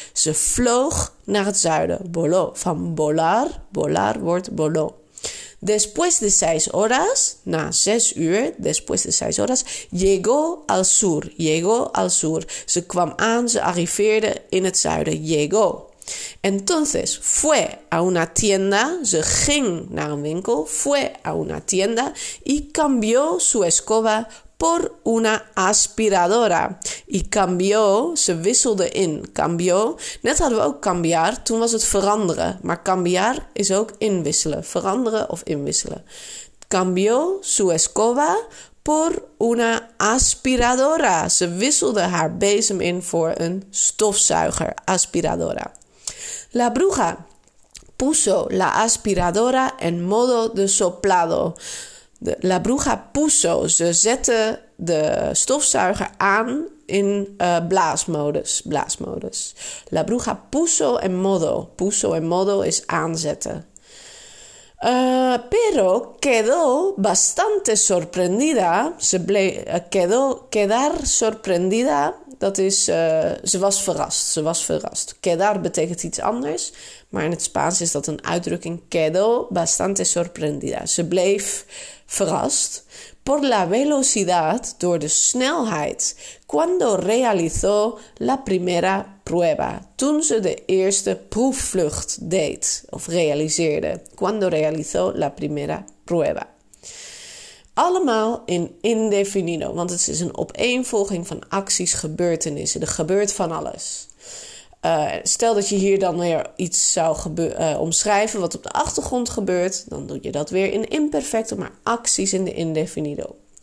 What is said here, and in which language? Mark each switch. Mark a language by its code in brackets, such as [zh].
[nl] Ze vloog naar het zuiden. [es] Voló. Van volar. Volar wordt voló. Después de 6 horas. [nl] Na 6 uur. [es] Después de 6 horas. Llegó al sur. Llegó al sur. [nl] Ze kwam aan. Ze arriveerde in het zuiden. [es] Llegó. Entonces fue a una tienda. [nl] Ze ging naar een winkel. [es] Fue a una tienda. Y cambió su escoba por una aspiradora. Y cambió, [nl] ze wisselde in. Cambió, net hadden we ook cambiar, toen was het veranderen. Maar cambiar is ook inwisselen, veranderen of inwisselen. [es] Cambió su escoba por una aspiradora. [nl] Ze wisselde haar bezem in voor een stofzuiger, aspiradora. [es] La bruja puso la aspiradora en modo de soplado. La bruja puso, [nl] ze zette de stofzuiger aan in blaasmodus. [es] La bruja puso en modo. Puso en modo [nl] is aanzetten. [es] Pero quedó bastante sorprendida. Ze quedar sorprendida. [nl] Dat is, ze was verrast. Quedar betekent iets anders. Maar in het Spaans is dat een uitdrukking. [es] Quedó bastante sorprendida. [nl] Ze bleef verrast. [es] Por la velocidad, [nl] door de snelheid. [es] Cuando realizó la primera prueba. [nl] Toen ze de eerste proefvlucht deed. Of realiseerde. [es] Cuando realizó la primera prueba. [nl] Allemaal in indefinido. Want het is een opeenvolging van acties, gebeurtenissen. Er gebeurt van alles. Stel dat je hier dan weer iets zou omschrijven wat op de achtergrond gebeurt. Dan doe je dat weer in imperfecto, maar acties in de indefinido.